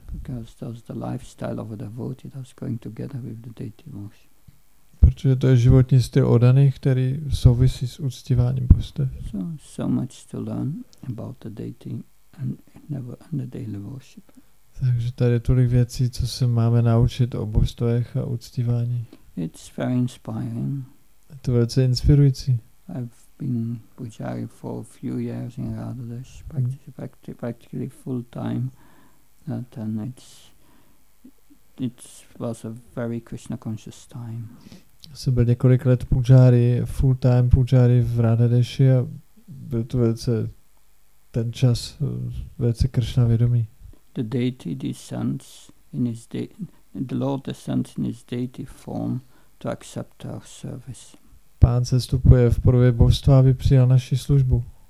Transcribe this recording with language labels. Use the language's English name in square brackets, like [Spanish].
[English] Because that's the lifestyle of a devotee that's going together with the deity worship. [Czech] Protože to je životní styl odaných, který souvisí s uctíváním božstev. [English] So much to learn about the deity and the daily worship. [Czech] Takže tady je tolik věcí, co se máme naučit o božstvech a uctívání. [English] It's very inspiring. [Czech] Je to velice inspirující. [English] Been pujari for a few years in Radhadesh, practically full time, and it was a very Krishna conscious time. [Czech] Jsem byl několik let pujari, [English] full time [Czech] pujari v Radhadeshi a byl to velice ten čas velice Krishna vědomý. [English] The deity descends in his the Lord descends in his deity form to accept our service. [Czech] Pán se vstupuje v podobě božstva, aby přijal naši službu.